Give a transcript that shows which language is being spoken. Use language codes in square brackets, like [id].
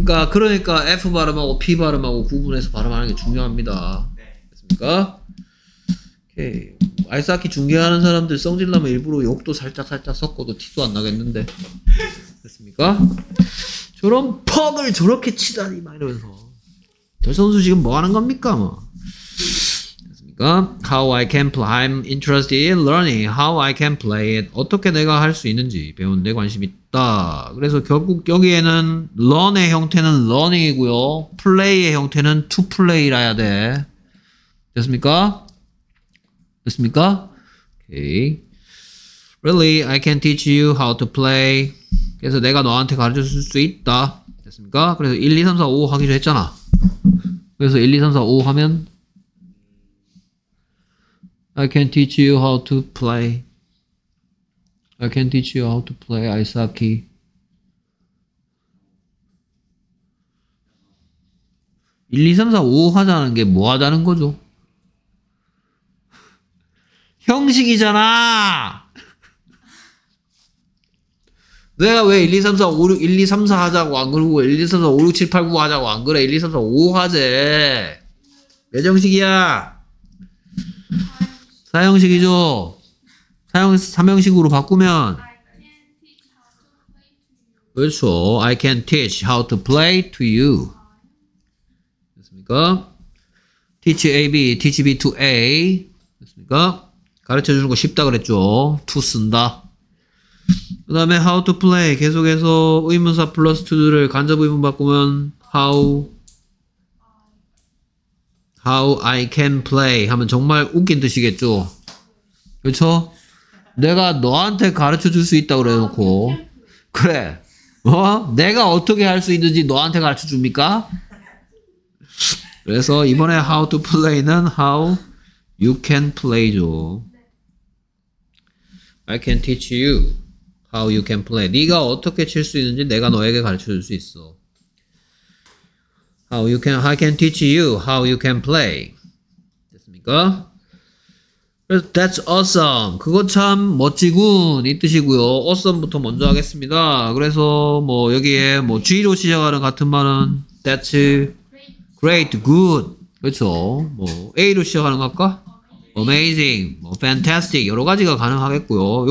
[ko] 그러니까 F 발음하고 P 발음하고 구분해서 발음하는 게 중요합니다. 됐습니까? 오케이. 아이스하키 중계하는 사람들 성질나면 일부러 욕도 살짝 섞어도 티도 안 나겠는데. 됐습니까? 저런 퍽을 저렇게 치다니 막 이러면서. 저 선수 지금 뭐 하는 겁니까? 뭐. 됐습니까? [en] How I can play. I'm interested in learning how I can play it. [ko] 어떻게 내가 할 수 있는지 배우는 데 관심이 있다. 그래서 결국 여기에는 learn의 형태는 learning이고요. play의 형태는 to play라야 돼. 됐습니까? 됐습니까? Okay. [en] Really, I can teach you how to play. [ko] 그래서 내가 너한테 가르쳐 줄 수 있다. 됐습니까? 그래서 1, 2, 3, 4, 5 하기로 했잖아. 그래서 1, 2, 3, 4, 5 하면 [en] I can teach you how to play. I can teach you how to play ice hockey. [ko] 1, 2, 3, 4, 5 하자는 게 뭐 하자는 거죠? 형식이잖아! 내가 왜 1, 2, 3, 4, 5, 6, 1, 2, 3, 4 하자고 안 그러고 1, 2, 3, 4, 5, 6, 7, 8, 9 하자고 안 그래? 1, 2, 3, 4, 5 하재. 몇 형식이야? 4형식이죠? 3형식으로 바꾸면 그렇죠. [en] I can teach how to play to you. [ko] 됐습니까? [en] Teach A, B. Teach B to A. 됐습니까? [ko] 가르쳐주는 거 쉽다 그랬죠. to 쓴다. 그 다음에 how to play. 계속해서 의문사 플러스 to do를 간접 의문 바꾸면 how I can play 하면 정말 웃긴 뜻이겠죠. 그쵸? 내가 너한테 가르쳐 줄 수 있다고 그래놓고 그래. 어? 내가 어떻게 할 수 있는지 너한테 가르쳐 줍니까? 그래서 이번에 how to play는 how you can play죠. [en] I can teach you how you can play. [ko] 네가 어떻게 칠 수 있는지 내가 너에게 가르쳐 줄 수 있어. [en] How you can, I can teach you how you can play. [ko] 됐습니까? [en] That's awesome. [ko] 그거 참 멋지군 이 뜻이고요. Awesome부터 먼저 하겠습니다. 그래서 뭐 여기에 뭐 G로 시작하는 같은 말은 [en] That's great, good. [ko] 그렇죠. 뭐 A로 시작하는 거 할까? Amazing, fantastic 여러 가지가 가능하겠고요.